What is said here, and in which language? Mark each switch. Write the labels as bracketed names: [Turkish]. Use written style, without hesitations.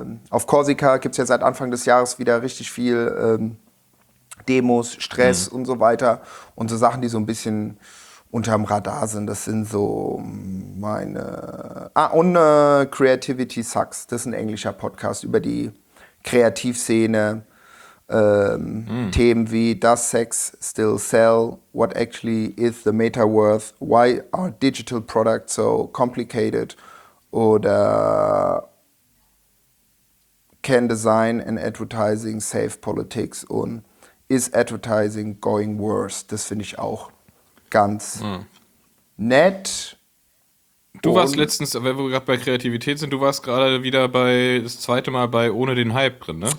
[German] Auf Korsika gibt es ja seit Anfang des Jahres wieder richtig viel Demos, Stress und so weiter. Und so Sachen, die so ein bisschen unterm Radar sind. Das sind so meine... Creativity Sucks, das ist ein englischer Podcast über die Kreativszene. Themen wie [English] Does Sex Still Sell? What Actually Is The Meta Worth? Why Are Digital Products So Complicated? Oder Can Design and Advertising Save Politics? Und Is Advertising Going Worse? [German] Das finde ich auch ganz nett. Du warst letztens, wenn wir gerade bei Kreativität sind, du warst gerade wieder das zweite Mal bei Ohne den Hype drin, ne?